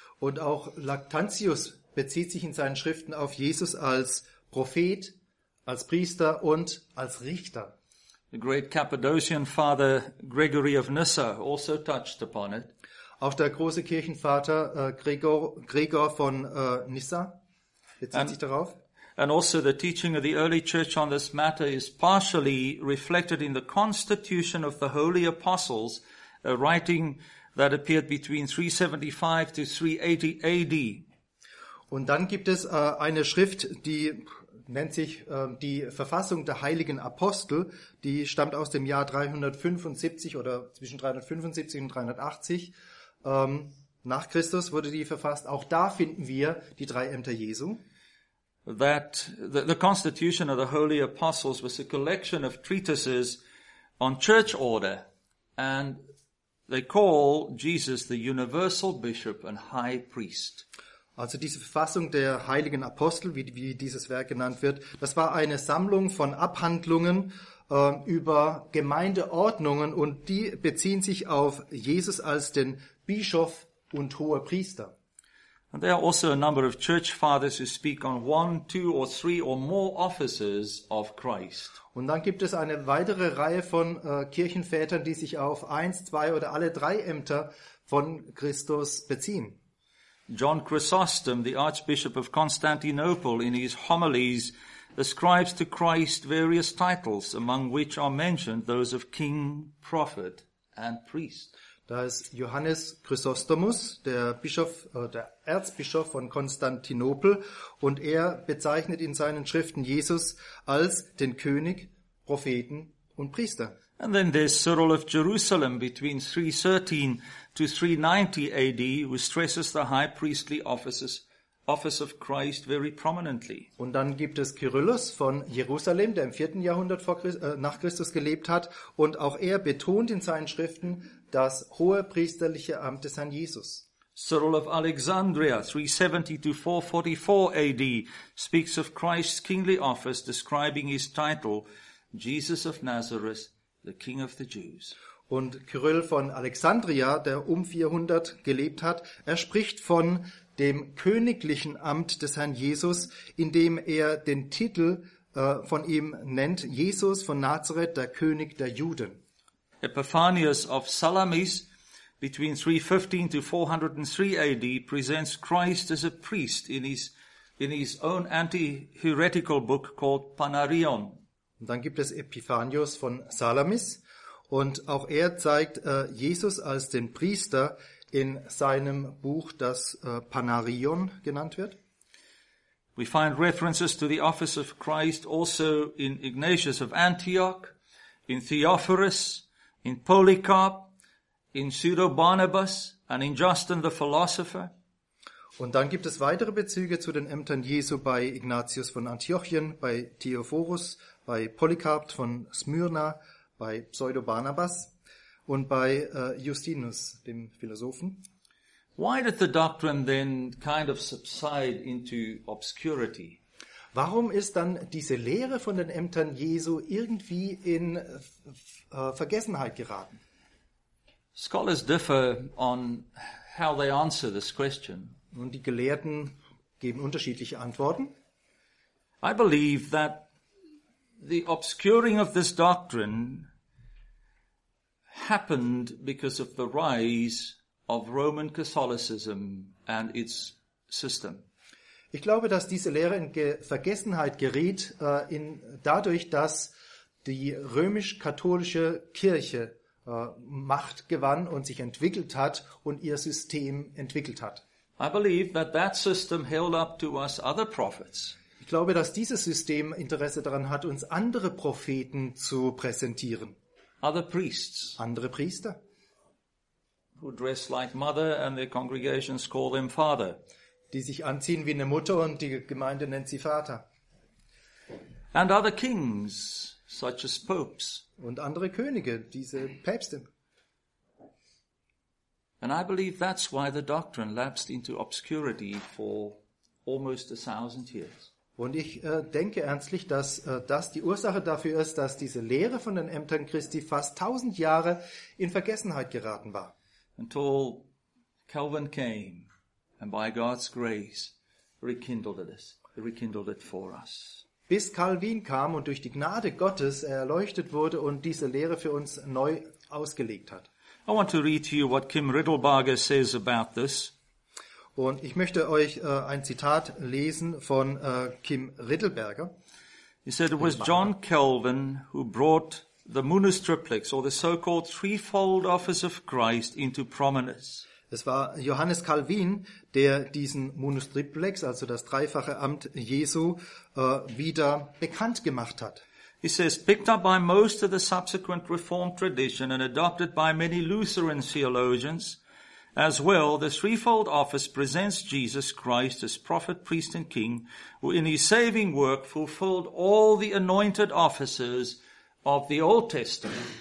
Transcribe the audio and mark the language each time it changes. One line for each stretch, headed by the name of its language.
German: Und auch Lactantius bezieht sich in seinen Schriften auf Jesus als Prophet, als Priester und als Richter.
English: The great Cappadocian father Gregory of Nyssa also touched upon it.
German: Auch der große Kirchenvater Gregor von Nyssa bezieht sich darauf.
English: And also the teaching of the early church on this matter is partially reflected in the constitution of the holy apostles, a writing that appeared between 375 to 380 AD.
German: Und dann gibt es eine Schrift, die nennt sich die Verfassung der heiligen Apostel. Die stammt aus dem Jahr 375 oder zwischen 375 und 380 nach Christus wurde die verfasst. Auch da finden wir die drei Ämter Jesu.
English: That the Constitution of the Holy Apostles was a collection of treatises on church order, and they call Jesus the universal bishop and high priest.
German: Also diese Verfassung der heiligen Apostel, wie dieses Werk genannt wird, das war eine Sammlung von Abhandlungen über Gemeindeordnungen und die beziehen sich auf Jesus als den Bischof und hoher Priester.
English: And there are also a number of church fathers who speak on one, two or three or more offices of Christ.
German: Und dann gibt es eine weitere Reihe von Kirchenvätern, die sich auf eins, zwei oder alle drei Ämter von Christus beziehen.
English: John Chrysostom, the Archbishop of Constantinople, in his homilies, ascribes to Christ various titles, among which are mentioned those of King, Prophet, and Priest.
German: Da ist Johannes Chrysostomus, der Bischof, der Erzbischof von Konstantinopel, und er bezeichnet in seinen Schriften Jesus als den König, Propheten und Priester.
English: And then there's Cyril of Jerusalem between 313 to 390 AD, who stresses the high priestly office of Christ very prominently.
German: Und dann gibt es Kyrillus von Jerusalem, der im 4. Jahrhundert nach Christus gelebt hat, und auch er betont in seinen Schriften das hohe priesterliche Amt des Herrn Jesus.
English: Cyril of Alexandria, 370 to 444 AD, speaks of Christ's kingly office, describing his title, Jesus of Nazareth, the King of the Jews.
German: Und Kyrill von Alexandria, der um 400 gelebt hat, er spricht von dem königlichen Amt des Herrn Jesus, indem er den Titel von ihm nennt, Jesus von Nazareth, der König der Juden.
English: Epiphanius of Salamis, between 315 to 403 AD, presents Christ as a priest in his own anti-heretical book called Panarion.
German: Und dann gibt es Epiphanius von Salamis und auch er zeigt Jesus als den Priester in seinem Buch, das Panarion genannt wird.
English: We find references to the office of Christ also in Ignatius of Antioch, in Theophorus, in Polycarp, in Pseudo-Barnabas and in Justin the Philosopher.
German: Und dann gibt es weitere Bezüge zu den Ämtern Jesu bei Ignatius von Antiochien, bei Theophorus, bei Polycarp von Smyrna, bei Pseudo-Barnabas. und bei Justinus, dem Philosophen.
English: Why did the doctrine then kind of subside into obscurity?
German: Warum ist dann diese Lehre von den Ämtern Jesu irgendwie in Vergessenheit geraten?
English: Scholars differ on how they answer this question.
German: Und die Gelehrten geben unterschiedliche Antworten.
English: I believe that the obscuring of this doctrine happened because of the rise of Roman Catholicism and its system.
German: Ich glaube, dass diese Lehre in Vergessenheit geriet, dadurch, dass die römisch-katholische Kirche Macht gewann und sich entwickelt hat und ihr System entwickelt hat.
English: I believe that that system held up to us other prophets.
German: Ich glaube, dass dieses System Interesse daran hat, uns andere Propheten zu präsentieren.
English: Other priests.
German: Andere Priester.
English: Who dress like mother and their congregations call them father.
German: Die sich anziehen wie eine Mutter und die Gemeinde nennt sie Vater.
English: And other kings, such as popes.
German: Und andere Könige, diese Päpste.
English: And I believe that's why the doctrine lapsed into obscurity for almost 1,000 years.
German: Und ich denke ernstlich, dass das die Ursache dafür ist, dass diese Lehre von den Ämtern Christi fast 1,000 Jahre in Vergessenheit geraten war.
English: Until Calvin came and by God's grace rekindled it for us.
German: Bis Calvin kam und durch die Gnade Gottes erleuchtet wurde und diese Lehre für uns neu ausgelegt hat.
English: I want to read to you what Kim Riddlebarger says about this.
German: Und ich möchte euch ein Zitat lesen von Kim Riddlebarger.
English: He said it was John Calvin who brought the munus triplex or the so-called threefold office of Christ into prominence.
German: Es war Johannes Calvin, der diesen munus triplex, also das dreifache Amt Jesu, wieder bekannt gemacht hat.
English: He says, picked up by most of the subsequent Reformed tradition and adopted by many Lutheran theologians as well, the threefold office presents Jesus Christ as prophet, priest and king, who in his saving work fulfilled all the anointed offices of the Old Testament.